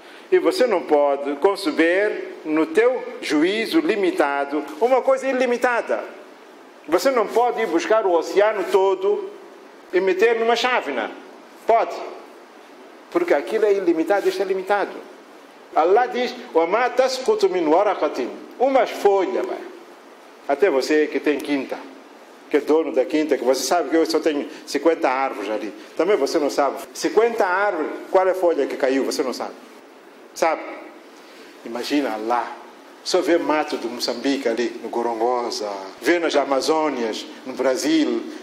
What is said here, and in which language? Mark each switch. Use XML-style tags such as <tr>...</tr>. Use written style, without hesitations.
<pt>E você não pode conceber no teu juízo limitado uma coisa ilimitada. Você não pode ir buscar o oceano todo e meter numa chávena. Pode. Porque aquilo é ilimitado, isto é limitado.</pt> <ar>Allah diz, وَمَا تَسْقُطُ مِنْ وَرَقَةٍ.</ar> <pt>Umas folhas, vai. Até você que tem quinta, que é dono da quinta, que você sabe que eu só tenho 50 árvores ali. Também você não sabe. 50 árvores, qual é a folha que caiu? Você não sabe. Sabe? Imagina lá. Só vê mato do Moçambique ali, no Gorongosa. Vê nas Amazônias, no Brasil.</pt>